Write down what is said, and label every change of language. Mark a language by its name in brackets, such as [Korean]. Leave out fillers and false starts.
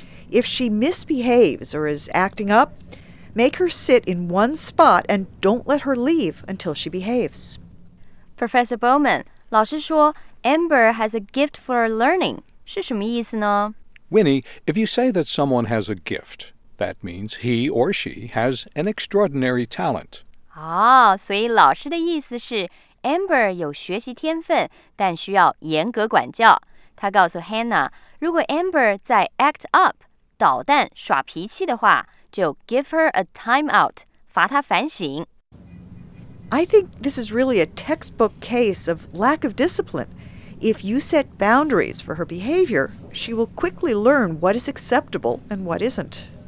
[English] If she misbehaves or is acting up, make her sit in one spot and don't let her leave until she behaves. Professor Bowman, [Chinese] 老师说 [English] Amber has a gift for learning. [Chinese] 是什么意思呢? [English] Winnie, if you say that someone has a gift... That means he or she has an extraordinary talent. [Chinese] Oh, 所以老师的意思是 Amber 有学习天分，但需要严格管教。他告诉 Hannah， 如果 Amber 在 act up 捣蛋耍脾气的话，就 [English] give her a time out， [Chinese] 罚她反省。 [English] I think this is really a textbook case of lack of discipline. If you set boundaries for her behavior, she will quickly learn what is acceptable and what isn't.